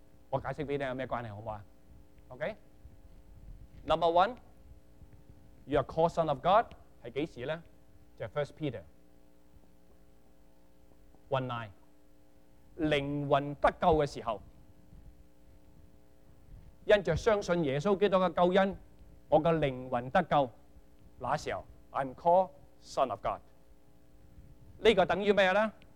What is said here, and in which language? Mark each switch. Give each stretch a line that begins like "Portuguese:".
Cantonese: 我解释俾你有咩关系，好嘛 ？OK。
English: Number one, you are called son of God
Cantonese: 系几时咧？就是、1 Peter 1:9，灵魂得救嘅时候，因着相信耶稣基督嘅救恩，我嘅灵魂得救。那时候 ，
English: I'm called son of God。
Cantonese: 呢个等于咩咧？